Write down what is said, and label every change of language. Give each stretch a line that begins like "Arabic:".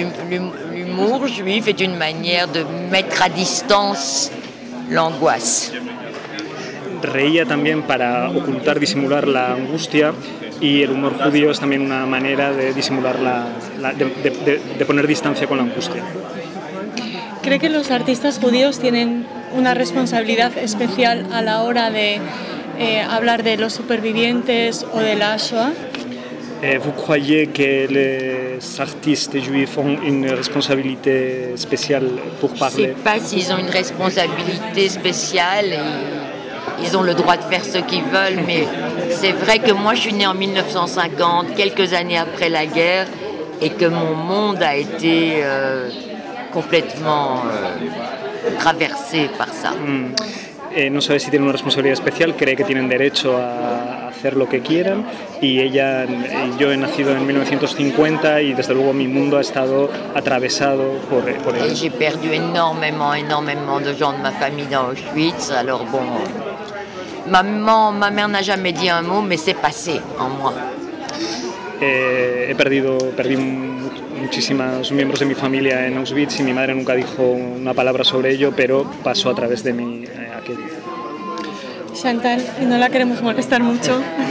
French: L'humour juif est une manière de mettre à distance l'angoisse.
Spanish: Reía también para ocultar, disimular la angustia y el humor judío es también una manera de disimular de poner distancia con la angustia. ¿Cree que los artistas judíos tienen una responsabilidad especial a la hora de hablar de los supervivientes o de la Shoah?
French: Vous croyez que les artistes juifs ont une responsabilité spéciale pour parler? Je ne sais pas s'ils ont une responsabilité spéciale. ils ont le droit de faire ce qu'ils veulent, mais c'est vrai que moi, je suis née en 1950, quelques années après la guerre, et que mon monde a été complètement traversé par ça.
Spanish: No sabe si tienen una responsabilidad especial, cree que tienen derecho a hacer lo que quieran, y ella, yo he nacido en 1950 y desde luego mi mundo ha estado atravesado por ello.
French: J'ai perdu énormément, énormément de gens de ma famille dans Auschwitz, alors bon, ma mère n'a jamais dit un mot, mais c'est passé en moi.
Spanish: Perdí muchísimos miembros de mi familia en Auschwitz y mi madre nunca dijo una palabra sobre ello, pero pasó a través de mí aquello. Chantal, no la queremos molestar mucho.